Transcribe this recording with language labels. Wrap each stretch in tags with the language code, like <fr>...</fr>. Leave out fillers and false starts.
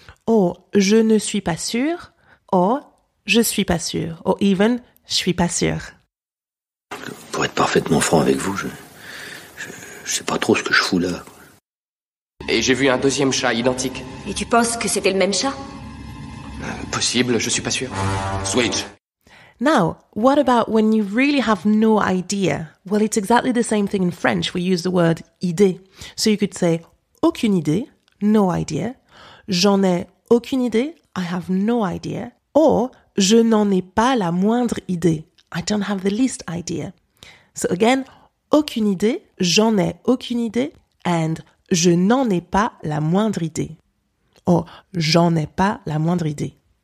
<fr>Or je ne suis pas sûr, or je suis pas sûr,</fr> <en>or even</en> <fr>je suis pas sûr. Pour être parfaitement franc avec vous, je sais pas trop ce que je fous là. Et j'ai vu un deuxième chat identique. Et tu penses que c'était le même chat? Possible, je suis pas sûr. Switch.</fr> <en>Now, what about when you really have no idea? Well, it's exactly the same thing in French. We use the word idée. So you could say,</en> <fr>aucune idée,</fr> <en>no idea.</en> <fr>J'en ai aucune idée,</fr> <en>I have no idea.</en> <fr>Or, je n'en ai pas la moindre idée,</fr> <en>I don't have the least idea. So again,</en> <fr>aucune idée, j'en ai aucune idée, and je n'en ai pas la moindre idée. Oh, j'en ai pas la moindre idée.</fr>